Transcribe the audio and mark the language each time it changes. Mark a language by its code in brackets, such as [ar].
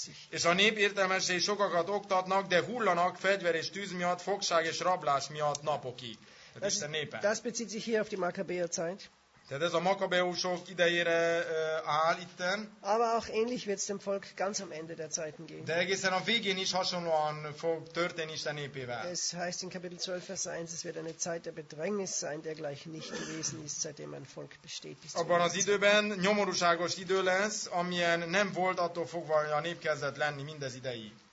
[hu] És a nép értelmesei sokakat oktatnak, de hullanak fegyver és tűz miatt, fogság és rablás miatt napokig. [de] Das bezieht sich hier auf die Makkabäerzeit. [hu] Tehát ez a Makkabäusok idejére áll itten. [de] Aber auch ähnlich wird es dem Volk ganz am Ende der Zeiten gehen. [hu] De egészen a végén is hasonlóan fog történni Isten népével. [de] Es heißt in Kapitel 12, Vers 1, es wird eine Zeit der Bedrängnis sein, dergleichen nicht gewesen ist, seitdem ein Volk besteht. [hu] Abban az időben nyomorúságos idő lesz, amilyen nem volt, attól fogva a nép kezdett lenni mindez ideig.